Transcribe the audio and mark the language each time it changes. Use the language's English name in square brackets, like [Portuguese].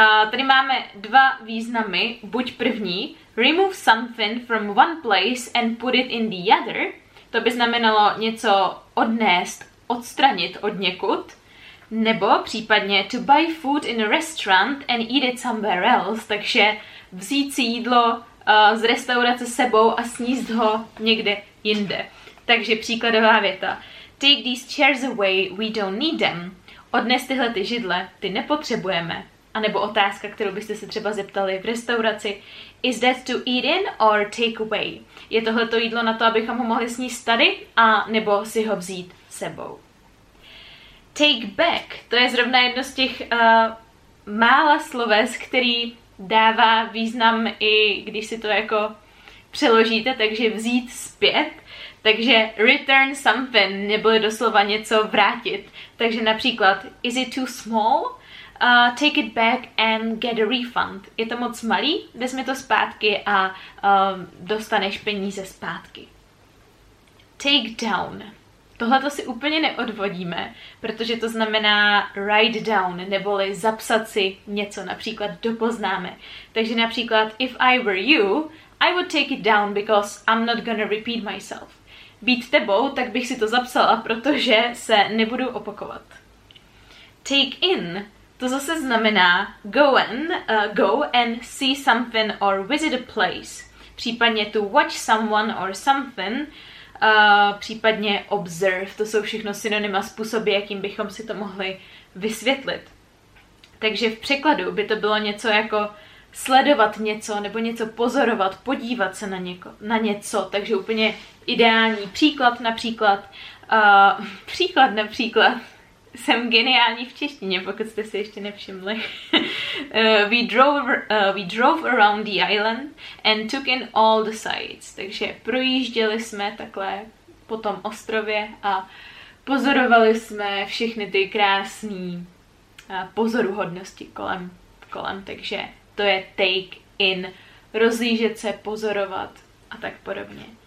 [Czech] Tady máme dva významy, buď první, [English] remove something from one place and put it in the other, [Czech] to by znamenalo něco odnést, odstranit od někud, nebo případně [English] to buy food in a restaurant and eat it somewhere else, [Czech] takže vzít si jídlo z restaurace sebou a sníst ho někde jinde. Takže příkladová věta. [English] Take these chairs away, we don't need them. [Czech] Odnes tyhle ty židle, ty nepotřebujeme. A nebo otázka, kterou byste se třeba zeptali v restauraci. [English] Is that to eat in or take away? [Czech] Je tohle to jídlo na to, abychom ho mohli sníst tady a nebo si ho vzít sebou. Take back, to je zrovna jedno z těch mála sloves, který dává význam i když si to jako přeložíte, takže vzít zpět. Takže [English] return something, [Czech] nebo doslova něco vrátit. Takže například, [English] is it too small? Take it back and get a refund. [Czech] Je to moc malý? Vezmi to zpátky a dostaneš peníze zpátky. Take down. Tohle to si úplně neodvodíme, protože to znamená [English] write down, [Czech] neboli zapsat si něco, například do poznámek. Takže například, [English] if I were you, I would take it down because I'm not gonna repeat myself. [Czech] Být tebou, tak bych si to zapsala, protože se nebudu opakovat. Take in, to zase znamená [English] go and see something or visit a place. Případně to watch someone or something, případně observe. [Czech] To jsou všechno synonyma způsoby, jakým bychom si to mohli vysvětlit. Takže v překladu by to bylo něco jako sledovat něco, nebo něco pozorovat, podívat se na něco. Takže úplně ideální příklad například. Příklad například. Jsem geniální v češtině, pokud jste si ještě nevšimli. [English] We drove around the island and took in all the sights. [Czech] Takže projížděli jsme takhle po tom ostrově a pozorovali jsme všechny ty krásné pozoruhodnosti kolem. Takže to je take in, rozlížet se, pozorovat a tak podobně.